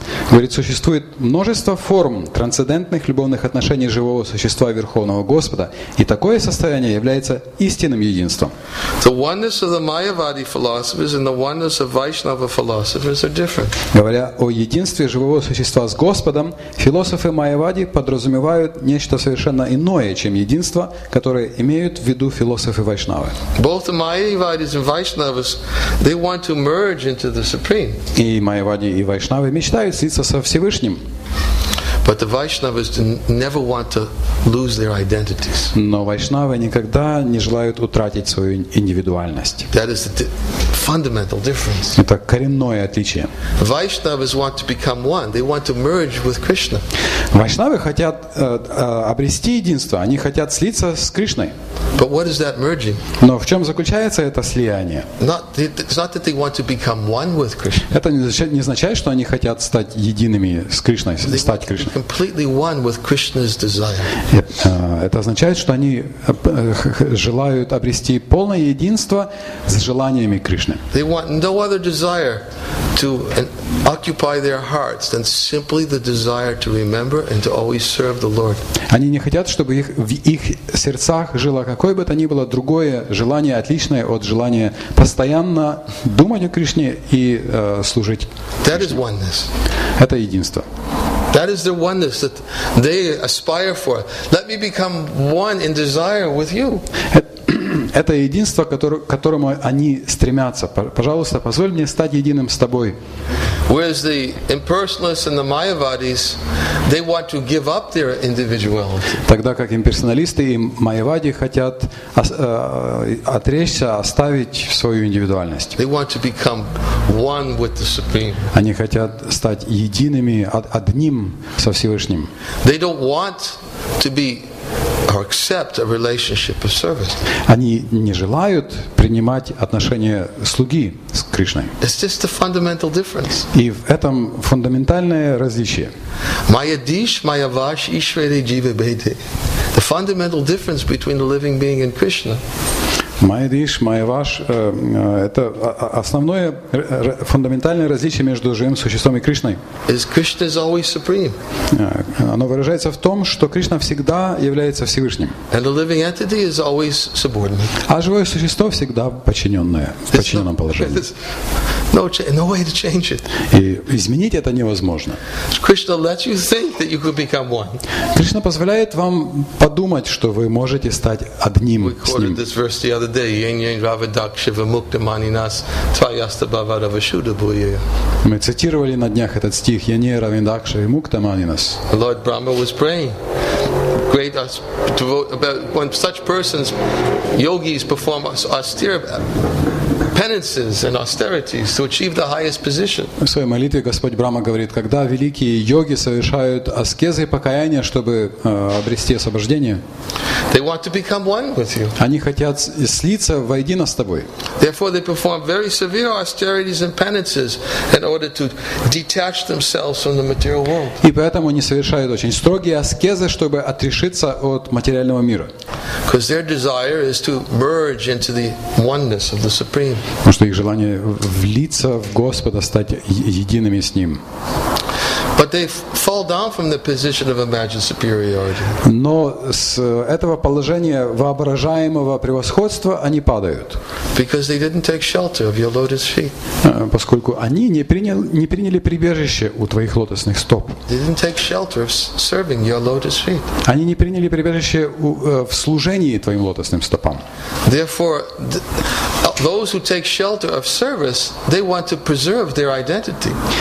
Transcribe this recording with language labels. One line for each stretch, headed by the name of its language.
Russian: Говорит, существует множество форм трансцендентных любовных отношений живого существа Верховного Господа, и такое состояние является истинным единством.
English: The oneness of the Mayavadi philosophers and the oneness of Vaishnava philosophers are different.
Russian: Говоря о единстве живого существа с Господом, философы Майявади подразумевают нечто совершенно иное, чем единство, которое имеют в виду философы Вайшнавы.
English: Both the Mayavadis and Vaishnavas, they want to merge into the Supreme.
Russian: И Майявади и Вайшнавы мечтают слиться со Всевышним.
English: But the Vaishnavas never want to lose their identities.
Russian: Но Вайшнавы никогда не желают утратить свою индивидуальность.
English: That is the fundamental difference.
Russian: Это коренное отличие.
English: Vaishnavas want to become one. They want to merge with Krishna.
Russian: Вайшнавы хотят обрести единство. Они хотят слиться с Кришной.
English: But what is that merging?
Russian: Но в чем заключается это слияние?
English: It's not that they want to become one with Krishna.
Russian: Это не означает, что они хотят стать едиными с Кришной, стать Кришной.
English: Completely one with Krishna's desire.
Russian: Это означает, что они желают обрести полное единство с желаниями Кришны.
English: They want no other desire to occupy their hearts than simply the desire to remember and to always serve the Lord.
Russian: Они не хотят, чтобы в их сердцах жило какое бы то ни было другое желание, отличное от желания постоянно думать о Кришне и служить.
English: That is oneness.
Russian: Это единство.
English: That is the oneness that they aspire for. Let me become one in desire with you.
Russian: Это единство, к которому они стремятся. Пожалуйста, позволь мне стать единым с тобой.
English: Whereas the impersonalists and the Mayavadis, they want to give up their individuality.
Russian: Тогда как имперсоналисты и Майявади хотят отречься, оставить свою индивидуальность.
English: They want to become one with the Supreme.
Russian: Они хотят стать едиными, одним со Всевышним.
English: They don't want to be or accept a relationship of service.
Russian: Они не желают принимать отношения слуги с Кришной.
English: It's just a fundamental difference.
Russian: И в этом фундаментальное различие.
Bangla: Mayadish, mayavash, ishvere, jive, bhede.
English: The fundamental difference between the living being and Krishna.
Bangla: Mayadish, mayavash,
Russian: это основное фундаментальное различие между живым существом и Кришной.
English: Is Krishna is always supreme.
Russian: Оно выражается в том, что Кришна всегда является Всевышним.
English: And the living entity is always subordinate.
Russian: А живое существо всегда подчиненное, в подчиненном положении.
English: No way to change it.
Russian: И изменить это невозможно.
English: Krishna lets you think that you could become one.
Russian: Кришна позволяет вам подумать, что вы можете стать одним с Ним.
English: We quoted this verse the other day.
Sanskrit: Yen yen ravadakshiva mukta maninas tvayasta bhavada vishuddha bhuyaya.
Russian: Мы цитировали на днях этот стих.
Sanskrit: Yen yen ravadakshiva mukta maninas.
English: Lord Brahma was praying. Great devotee, about when such persons, yogis, perform austere penances and austerities to achieve the highest position.
Russian: В своей молитве Господь Брама говорит, когда великие йоги совершают аскезы и покаяния, чтобы обрести освобождение.
English: They want to become one with you.
Russian: Они хотят слиться воедино с тобой.
English: Therefore, they perform very severe austerities and penances in order to detach themselves from the material world.
Russian: И поэтому они совершают очень строгие аскезы, чтобы отрешиться от материального мира.
English: Because their desire is to merge into the oneness of the Supreme.
Russian: Потому что их желание влиться в Господа, стать едиными с Ним.
English: But they fall down from the position of imagined superiority.
Russian: Но с этого положения воображаемого превосходства они падают.
English: Because they didn't take shelter of your lotus feet.
Russian: Поскольку они не приняли прибежище у твоих лотосных стоп.
English: They didn't take shelter of serving your lotus feet.
Russian: Они не приняли прибежище в служении твоим лотосным стопам.
English: Therefore, those who take shelter of service, they want to preserve their identity.